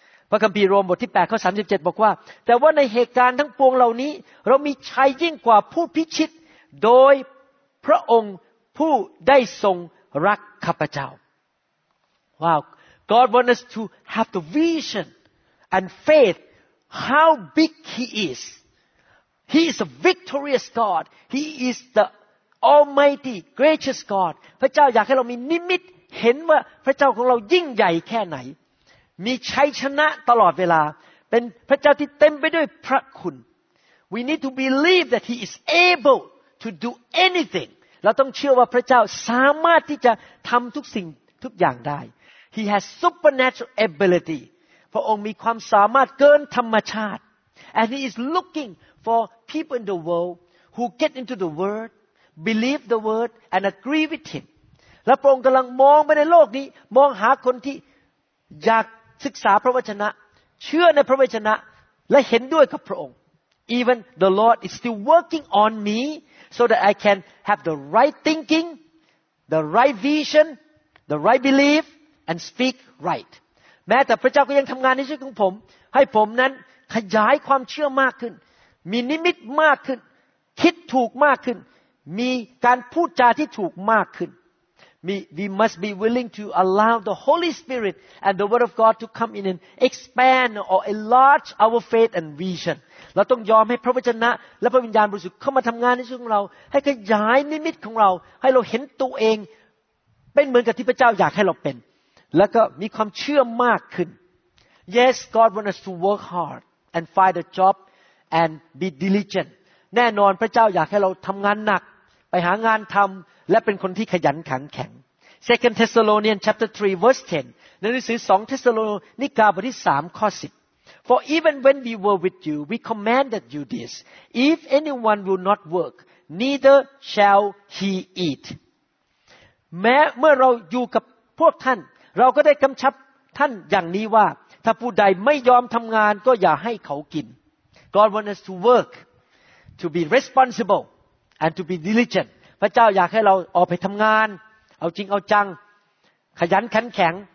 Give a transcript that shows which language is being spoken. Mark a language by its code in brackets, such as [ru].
[th] พระคัมภีร์โรมบทที่8ข้อ37บอกว่าแต่ว่าในเหตุการณ์ทั้งปวงเหล่านี้เรามีชัยยิ่งกว่าผู้พิชิตโดยพระองค์ผู้ได้ทรงรักข้าพเจ้า [en] Wow, God wants us to have the vision and faith how big He is. He is a victorious God. He is theAlmighty, gracious God. [th] พระเจ้าอยากให้เรามีนิมิตเห็นว่าพระเจ้าของเรายิ่งใหญ่แค่ไหนมีชัยชนะตลอดเวลาเป็นพระเจ้าที่เต็มไปด้วยพระคุณ [en] We need to believe that He is able to do anything. [th] เราต้องเชื่อว่าพระเจ้าสามารถที่จะทำทุกสิ่งทุกอย่างได้ [en] He has supernatural ability. [th] พระองค์มีความสามารถเกินธรรมชาติ [en] And He is looking for people in the world who get into the WordBelieve the word and agree with him. [th] แล้วพระองค์กำลังมองไปในโลกนี้มองหาคนที่อยากศึกษาพระวจนะเชื่อในพระวจนะและเห็นด้วยกับพระองค์ [en] Even the Lord is still working on me so that I can have the right thinking, the right vision, the right belief, and speak right. [th] แม้แต่พระเจ้าก็ยังทำงานในชีวิตของผมให้ผมนั้นขยายความเชื่อมากขึ้นมีนิมิตมากขึ้นคิดถูกมากขึ้นมีการพูดจาที่ถูกมากขึ้น [en] We must be willing to allow the Holy Spirit and the Word of God to come in and expand or enlarge our faith and vision. [th] เราต้องยอมให้พระวจนะและพระวิญญาณบริสุทธิ์เข้ามาทำงานในชีวิตของเราให้ขยายนิมิตของเราให้เราเห็นตัวเองเป็นเหมือนกับที่พระเจ้าอยากให้เราเป็นแล้วก็มีความเชื่อมากขึ้น [en] Yes, God wants us to work hard and find a job and be diligent. [th] แน่นอนพระเจ้าอยากให้เราทำงานหนักไปหางานทำและเป็นคนที่ขยันขันแข็ง [en] 2 Thessalonians chapter 3 verse 10 [th] ในหนังสือ2 Thessalonica บทที่3ข้อ10 [en] For even when we were with you we commanded you this if anyone will not work neither shall he eat [th] แม้เมื่อเราอยู่กับพวกท่านเราก็ได้กำชับท่านอย่างนี้ว่าถ้าผู้ใดไม่ยอมทำงานก็อย่าให้เขากิน [en] God wants us to workTo be responsible and to be diligent. [th] พระเจ้าอยากให้เราออกไปทำงานเอาจริงเอาจังขยันขันแข็ง